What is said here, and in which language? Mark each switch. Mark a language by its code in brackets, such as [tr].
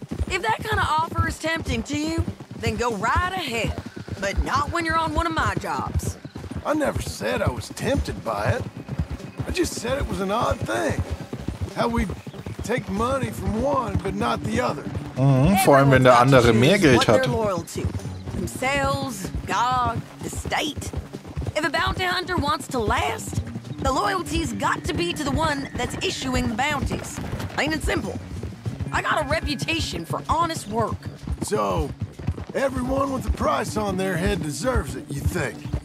[en] If that kind of offer is tempting to you, then go right ahead. But not when you're on one of my jobs. I never said I was tempted by it. I just said it was an odd thing. How we take money from one but not the other. [de] Vor allem wenn der andere mehr Geld hat. [en] Loyalty. Themselves, God, the state. If a bounty hunter wants to last, the loyalty's got to be to the one that's issuing the bounties. Plain and simple. I got a reputation for honest work. So, everyone with a price on their head deserves it, you think?